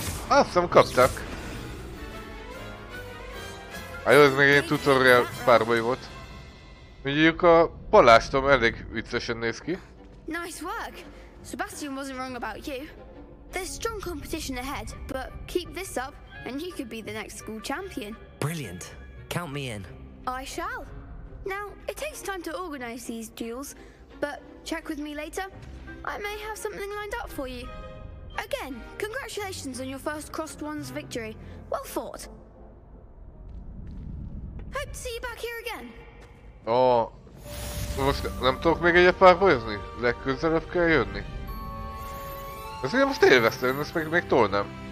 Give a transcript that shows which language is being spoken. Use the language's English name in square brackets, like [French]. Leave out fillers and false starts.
[Hungarian] Azt hiszem kaptak. Hát jó, ez még egy tutorial párbaj volt. Mondjuk a palástom elég viccesen néz ki. [English] Nice work. Sebastian wasn't wrong about you. There's strong competition ahead, but keep this up and you could be the next school champion. Brilliant. Count me in. I shall. Now, it takes time to organize these duels, but check with me later. I may have something lined up for you. Again, congratulations on your first Crossed Ones victory. Well fought. Hope to see you back here again. [Hungarian] Oh, most nem tudok még egyet párbajozni? Legközelebb kell jönni. Ez ugye most élveztem, ezt még tolnám.